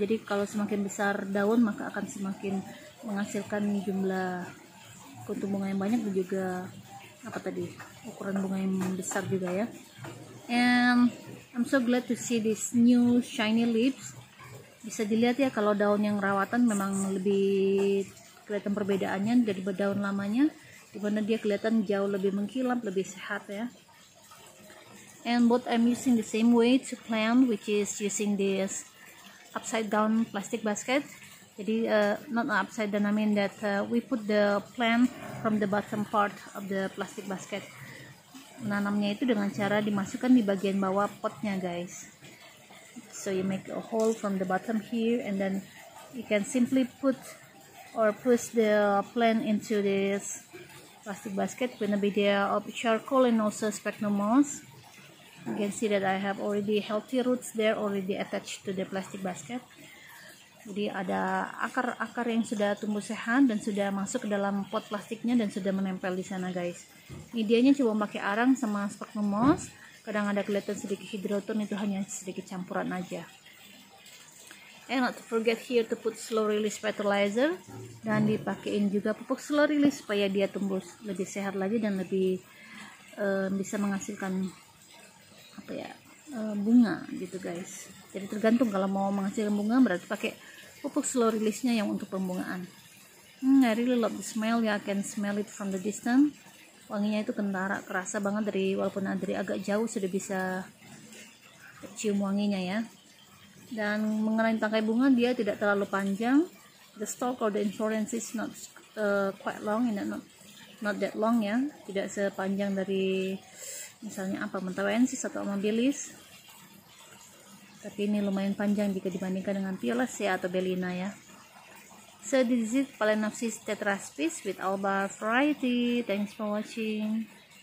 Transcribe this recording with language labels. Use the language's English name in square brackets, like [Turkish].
[Indonesian] Jadi kalau semakin besar daun maka akan semakin menghasilkan jumlah kuntum bunga yang banyak dan juga apa tadi, ukuran bunga yang besar juga ya. [English] And I'm so glad to see this new shiny leaves. [Indonesian] Bisa dilihat ya kalau daun yang rawatan memang lebih kelihatan perbedaannya dari daun lamanya, dimana dia kelihatan jauh lebih mengkilap, lebih sehat ya. [English] And both I'm using the same way to plant, which is using this upside down plastic basket. Jadi not upside down, I mean that we put the plant from the bottom part of the plastic basket. [Indonesian] Menanamnya itu dengan cara dimasukkan di bagian bawah potnya, guys. [English] So you make a hole from the bottom here and then you can simply put or push the plant into this plastic basket with a media of charcoal and also sphagnum moss. You can see that I have already healthy roots there already attached to the plastic basket. [Indonesian] Jadi ada akar-akar yang sudah tumbuh sehat dan sudah masuk ke dalam pot plastiknya dan sudah menempel di sana, guys. Medianya coba pakai arang sama sphagnum moss. Kadang ada kelihatan sedikit hidroton, itu hanya sedikit campuran aja. [English] And not to forget here to put slow release fertilizer [Indonesian] dan dipakein juga pupuk slow release supaya dia tumbuh lebih sehat lagi dan lebih bisa menghasilkan apa ya, bunga gitu, guys. Jadi tergantung, kalau mau menghasilkan bunga berarti pakai pupuk slow release-nya yang untuk pembungaan. [English] I really love the smell ya, I can smell it from the distance. [Indonesian] wanginya itu kentara, kerasa banget dari, walaupun dari agak jauh sudah bisa cium wanginya ya. Dan mengenai tangkai bunga, dia tidak terlalu panjang. [English] The stalk or the inflorescence is not quite long, you know, not that long ya. [Indonesian] Tidak sepanjang dari misalnya apa, mentawensis atau amabilis. Tapi ini lumayan panjang jika dibandingkan dengan Piolacea atau Bellina ya. [English] So this is Phalaenopsis tetraspis with all bar variety. Thanks for watching.